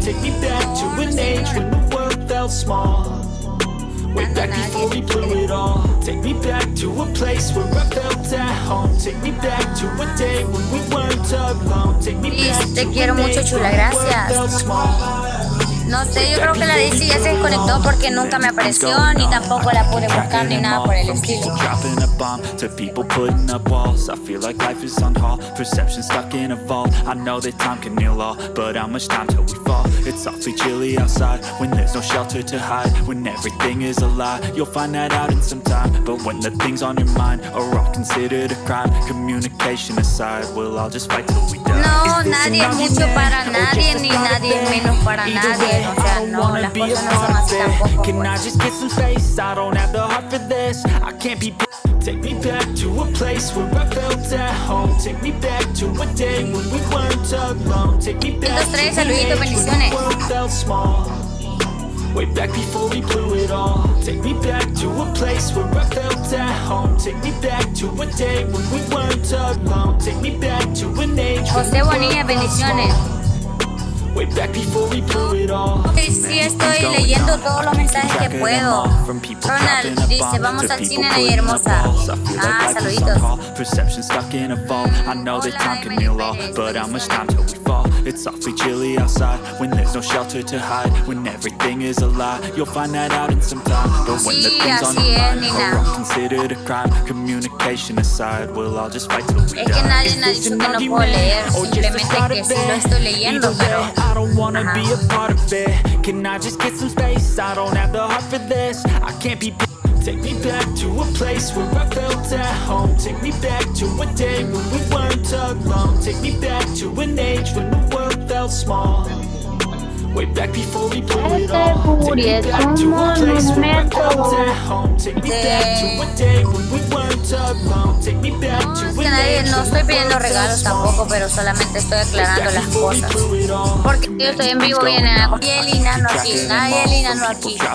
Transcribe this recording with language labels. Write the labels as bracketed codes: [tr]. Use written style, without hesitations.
[en] Take me back to an age when the world felt small. Way back before we blew it all. Take me back to a place where I felt at home. Take me back to a day when we weren't alone. Take me back to an age when the world felt small. [es] No sé, yo creo que la DC ya se desconectó porque nunca me apareció ni tampoco la pude buscar ni nada por el estilo. [en] Bomb to people putting up walls. I feel like life is on hold. Perception stuck in a vault. I know that time can heal all, but how much time till we fall? It's awfully chilly outside when there's no shelter to hide. When everything is a lie, you'll find that out in some time. But when the things on your mind are all considered a crime, communication aside, we'll all just fight till we die. [es] No, nadie es mucho para nadie, ni nadie es menos para nadie. O sea, no, las cosas no son así tampoco. [en] Can I just get some space? I don't have the heart for this. I can't be. Take me back to a place where I felt at home. Take me back to a day when we weren't alone. Take me back to an age when the world felt small. Way back before we blew it all. Take me back to a place where I felt at home. Take me back to a day when we weren't alone. Take me back to an age when the world felt small. Way back before we blew it all. [es] Sí, estoy leyendo todos los mensajes que puedo. Ronald dice, vamos al cine, Nayeli hermosa. Ah, saluditos. [en] Perception stuck in a vault. I know that time can heal all, but how much time till we fall? It's awfully chilly outside when there's no shelter to hide. When everything is a lie, you'll find that out in some time. But when the things on your mind are all considered a crime, communication aside, we'll all just fight till we die. [es] Es que nadie ha dicho que no puedo leer, simplemente que sí lo estoy leyendo, pero [en] I don't wanna be a part of it. Can I just get some space? I don't have the heart for this. I can't be. Take me back to a place where I felt at home. Take me back to a day when we weren't alone. Take me back to an age when the world felt small. Way back before we blew it all. Take me back to a place where I felt at home. Take me back to a day when we weren't. [es] No estoy pidiendo regalos tampoco, pero solamente estoy aclarando las cosas. Porque si yo estoy en vivo, viene a Nayeli Nos aquí, Nayeli Nos aquí.